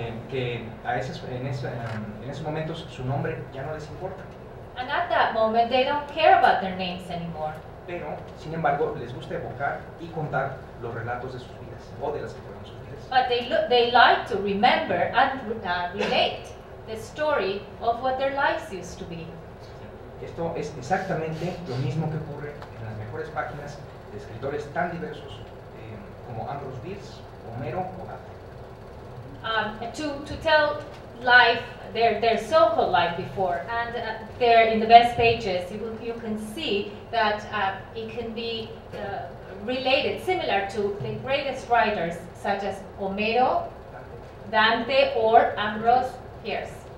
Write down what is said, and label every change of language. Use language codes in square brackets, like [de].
[es] Que en esos momentos su nombre ya no les importa. [en] And at that moment they don't care about their names anymore. [es] Pero, sin embargo, les gusta evocar y contar los relatos de sus vidas o de las que fueron sus vidas. [en] But they like to remember and relate the story of what their lives used to be. [es] Esto es exactamente lo mismo que ocurre en las mejores páginas de escritores tan diversos como Ambrose Bierce, Homero o Dante. [en] To tell life, their so-called life before, and they're in the best pages, you can see that it can be related, similar to the greatest writers such as Homero, Dante, or Ambrose Bierce.